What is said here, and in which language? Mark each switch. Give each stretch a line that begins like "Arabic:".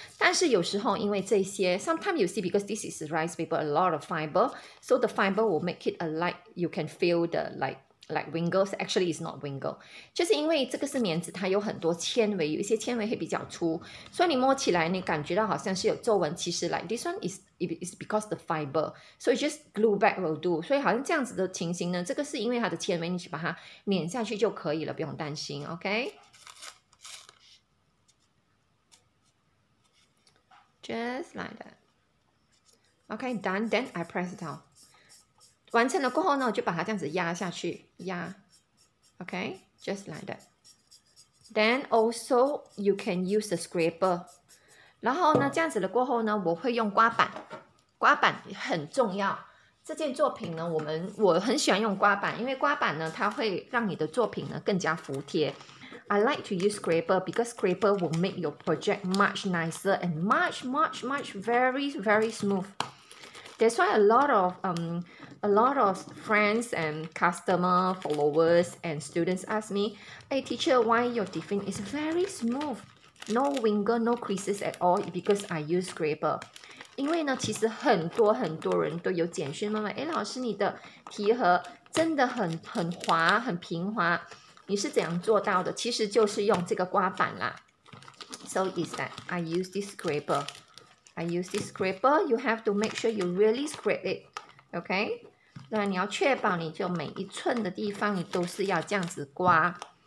Chinese: 但是有时候因为这些
English: ，sometimes you see because this is rice paper, a lot of fiber, so the fiber will make it a light. You can feel the light. Like wingles, actually it's not wingle.
Chinese: 就是因为这个是棉子，它有很多纤维，有一些纤维会比较粗，所以你摸起来你感觉到好像是有皱纹。
English: 其实 like this one is because the fiber, so just glue back will do.
Chinese: 所以好像这样子的情形呢，这个是因为它的纤维，你去把它粘下去就可以了，不用担心。
English: OK, just like that. OK, done. Then I press it out.
Chinese: 完成了过后呢，我就把它这样子压下去，压 ，
English: OK, just like that. Then also you can use the scraper.
Chinese: 然后呢，这样子的过后呢，我会用刮板，刮板很重要。这件作品呢，我很喜欢用刮板，因为刮板呢，它会让你的作品呢更加服帖。
English: I like to use scraper because scraper will make your project much nicer and much very very smooth. That's why a lot of friends and customer followers and students ask me, "Hey teacher, why your tiffin is very smooth, no wingle, no creases at all?" Because I use scraper.
Chinese: 因为呢，其实很多很多人都有简讯问，哎，老师，你的提盒真的很滑，很平滑，你是怎样做到的？其实就是用这个刮板啦。
English: So is that I use this scraper. I use this scraper. You have to make sure you really scrape it, okay?
Chinese: 那你要确保你就每一寸的地方你都是要这样子刮。